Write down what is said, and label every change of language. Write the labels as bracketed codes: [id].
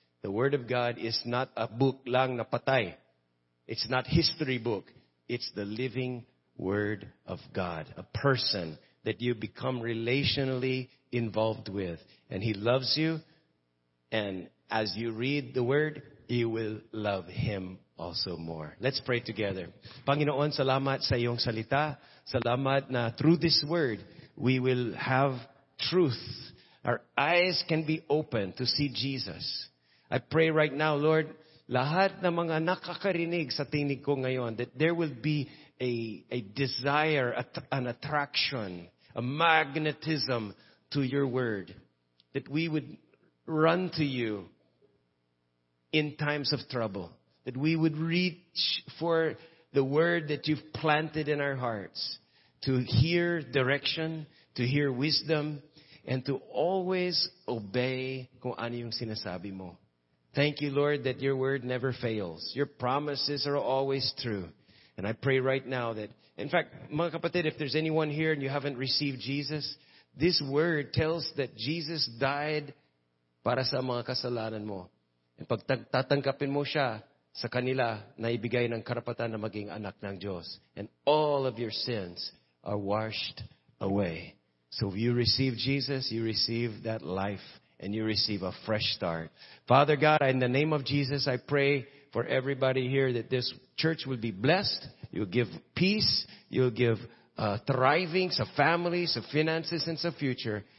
[en] The Word of God is not a book [tl] lang na patay. [en] It's not history book. It's the living Word of God. A person that you become relationally involved with. And He loves you. And as you read the Word, you will love Him also more. Let's pray together. [tl] Panginoon, salamat sa iyong salita. Salamat na [en] through this Word, we will have truth. Our eyes can be open to see Jesus. I pray right now, Lord, [tl] lahat na mga nakakarinig sa tinig ko ngayon, [en] that there will be a desire, an attraction, a magnetism to your Word. That we would run to you in times of trouble. That we would reach for the Word that you've planted in our hearts to hear direction, to hear wisdom, and to always obey [tl] kung ano yung sinasabi mo. [en] Thank you, Lord, that your Word never fails. Your promises are always true. And I pray right now that, in fact, [tl] mga kapatid, [en] if there's anyone here and you haven't received Jesus, this Word tells that Jesus died [tl] para sa mga kasalanan mo. And pag tatangkapin mo siya sa kanila, na ibigay ng karapatan na maging anak ng Diyos. [en] And all of your sins are washed away. So if you receive Jesus, you receive that life and you receive a fresh start. Father God, in the name of Jesus, I pray for everybody here that this church will be blessed. You'll give peace. You'll give thriving, some families, some finances, and some future.